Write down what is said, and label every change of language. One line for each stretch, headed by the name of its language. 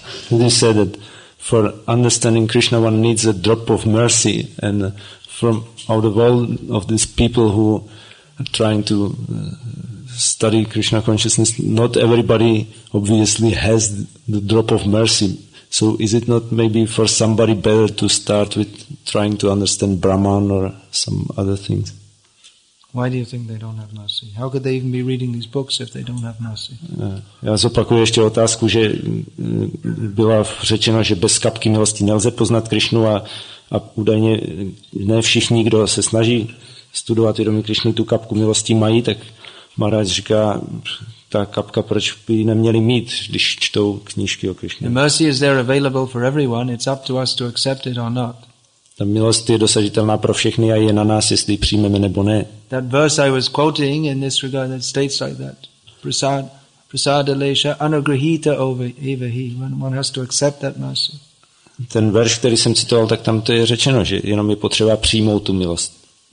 English: You said that for understanding Krishna, one needs a drop of mercy, and from out of all of these people who are trying to study Krishna consciousness, not everybody obviously has the drop of mercy. So is it not maybe for somebody better to start with trying to understand Brahman or some other things? Why do you think they don't have mercy? How could they even be reading these books if they don't have mercy?
Czech: Já zopakuju ještě otázku, že byla řečeno, že bez kapky milosti nelze poznat Krišnu a údajně ne všichni, kdo se snaží studovat vědomí Krišny, tu kapku milosti mají, tak Maharaj říká, ta kapka, proč by ji neměli mít, když čtou knížky o Krišně.
English: Mercy is there available for everyone, it's up to us to accept it or not.
Czech: Ta milost je dosažitelná pro všechny a je na nás, jestli ji přijmeme nebo ne.
English: That verse I was quoting in this regard that states like that.
Sanskrit: Prasadalesha anugrahita evahi.
English: One has to accept that mercy.
Czech: Ten verš, který jsem citoval, tak tam to je řečeno, že jenom je potřeba přijmout tu milost.